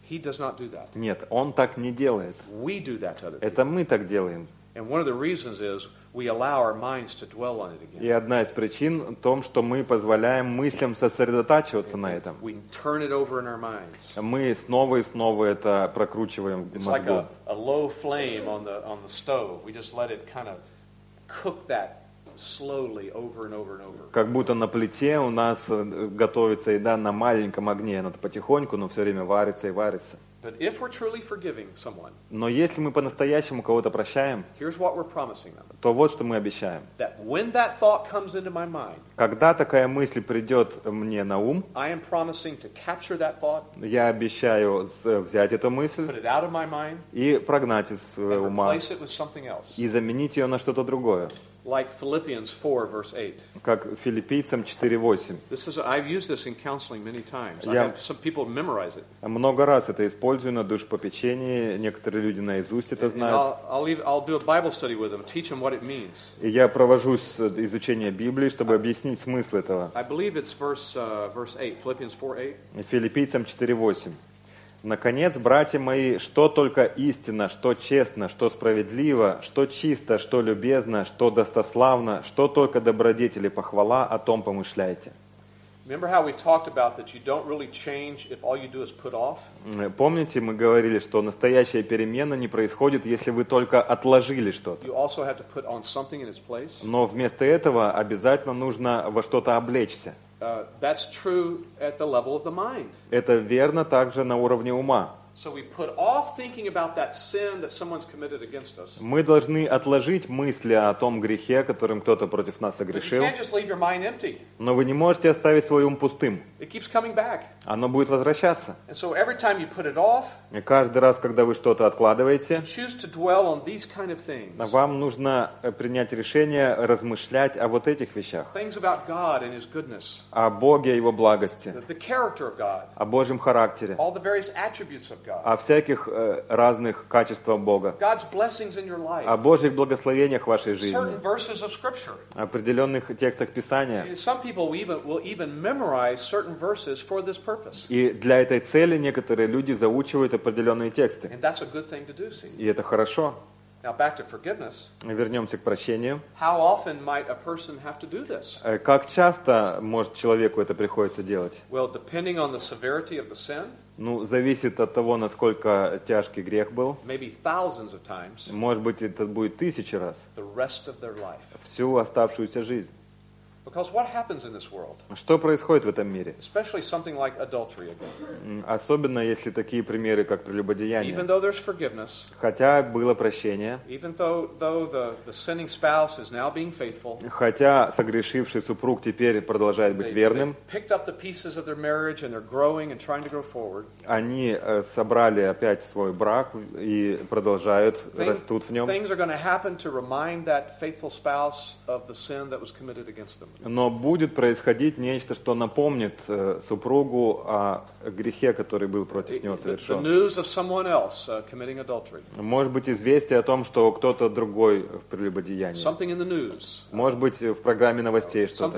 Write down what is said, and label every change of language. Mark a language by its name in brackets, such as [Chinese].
[English] He does not do that. [Russian] Нет, он так не делает. [English] We do that to other people. [Russian] Это мы так делаем. [English] And one of the reasons is we allow our minds to dwell on it again. [Russian] И одна из причин в том, что мы позволяем мыслям сосредотачиваться на этом. [English] We turn it over in our minds. [Russian] Мы снова и снова это прокручиваем в мозгу. [English] It's like a low flame on the stove. We just let it kind of cook that slowly over and over and over. [Russian] Как будто на плите у нас готовится еда на маленьком огне, она потихоньку, но все время варится и варится. [English] But if we're truly forgiving someone, [Russian] но если мы по-настоящему кого-то прощаем, [English] here's what we're promising them, [Russian] то вот что мы обещаем. [English] That when that thought comes into my mind, [Russian] когда такая мысль придет мне на ум, [English] I am promising to capture that thought, [Russian] я обещаю взять эту мысль, [English] put it out of my mind, [Russian] и прогнать из своего ума, [English] and replace it with something else. [Russian] И заменить ее на что-то другое. [English] Like Philippians 4, verse 8. [Russian] Как Филиппийцам 4:8. [English] This is I've used this in counseling many times. I have some people memorize it. [Russian] Много раз это использую на душепопечении. Некоторые люди наизусть это знают. [English] I'll do a Bible study with them, teach them what it means. [Russian] И я провожу изучение Библии, чтобы объяснить смысл этого. [English] I believe it's verse 8, Philippians 4:8. [Russian] Филиппийцам 4:8. Наконец, братья мои, что только истинно, что честно, что справедливо, что чисто, что любезно, что достославно, что только добродетели, похвала, о том помышляйте. [English] Remember how we talked about that you don't really change if all you do is put off? [Russian] Помните, мы говорили, что настоящая перемена не происходит, если вы только отложили что-то. [English] You also have to put on something in its place. [Russian] Но вместо этого обязательно нужно во что-то облечься. [English] That's true at the level of the mind. [Russian] Это верно также на уровне ума. [English] So we put off thinking about that sin that someone's committed against us. [Russian] Мы должны отложить мысли о том грехе, которым кто-то против нас согрешил. [English] But you can't just leave your mind empty. [Russian] Но вы не можете оставить свой ум пустым. [English] It keeps coming back. [Russian] Оно будет возвращаться. [English] And so every time you put it off, [Russian] и каждый раз, когда вы что-то откладываете, [English] you choose to dwell on these kind of things. [Russian] Вам нужно принять решение размышлять о вот этих вещах. [English] Things about God and His goodness. [Russian] О Боге и Его благости. [English] The character of God. [Russian] О Божьем характере. [English] All the various attributes of God. [Russian] О всяких разных качествах Бога. [English] God's blessings in your life. [Russian] О Божьих благословениях в вашей жизни. [English] Certain verses of Scripture. [Russian] О определенных текстах Писания. [English] Some people will even memorize certain verses for this purpose. [Russian] И для этой цели некоторые люди заучивают определенные тексты. [English] And that's a good thing to do, see. [Russian] И это хорошо. [English] Now back to forgiveness. [Russian] Вернемся к прощению. [English] How often might a person have to do this? [Russian] Как часто может человеку это приходится делать? [English] Well, depending on the severity of the sin. [Russian] Ну, зависит от того, насколько тяжкий грех был. [English] Maybe thousands of times. [Russian] Может быть, это будет тысячи раз. [English] The rest of their life. [Russian] Всю оставшуюся жизнь. [English] Because what happens in this world? [Russian] Что происходит в этом мире? [English] Especially something like adultery again. [Russian] Особенно, если такие примеры, как прелюбодеяние. [English] Even though there's forgiveness. [Russian] Хотя было прощение. [English] Even though the sinning spouse is now being faithful. [Russian] Хотя согрешивший супруг теперь продолжает быть верным. [English] They picked up the pieces of their marriage and they're growing and trying to grow forward. [Russian] Они собрали опять свой брак и продолжают, растут в нем. [English] Things are going to happen to remind that faithful spouse of the sin that was committed against them. [Russian] Но будет происходить нечто, что напомнит супругу о грехе, который был против него совершен. [English] The news of someone else committing adultery. [Russian] Может быть, известие о том, что кто-то другой в прелюбодеянии. [English] Something in the news. [Russian] Может быть, в программе новостей что-то.